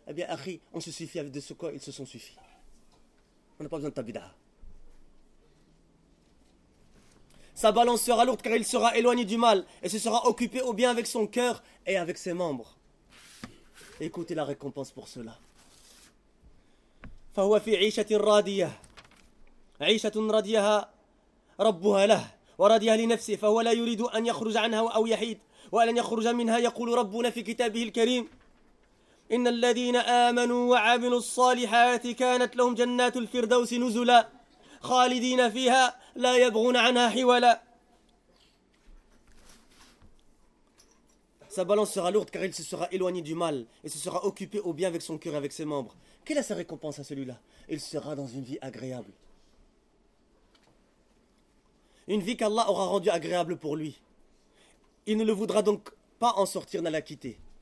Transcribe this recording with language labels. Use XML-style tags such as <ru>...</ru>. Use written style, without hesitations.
<fr>Eh bien, Ahri, on se suffit avec de ce quoi ils se sont suffis. On n'a pas besoin de ta bid'a. Sa balance sera lourde car il sera éloigné du mal et se sera occupé au bien avec son cœur et avec ses membres. Écoutez la récompense pour cela.</fr> <ar>فهو في عيشة راضية عيشة راضيها ربها له وراضيها لنفسه فهو لا يريد أن يخرج عنها أو يحيد ولن يخرج منها يقول ربنا في كتابه الكريم إن الذين آمنوا وعملوا الصالحات كانت لهم جنات الفردوس نزلا خالدين فيها لا يبغون عنها حولا.</ar> <fr>Sa balance sera lourde car il se sera éloigné du mal et se sera occupé au bien avec son cœur et avec ses membres. Quelle est sa récompense à celui-là? Il sera dans une vie agréable. Une vie qu'Allah aura rendue agréable pour lui. Il ne le voudra donc pas en sortir, ne la quitter.</fr>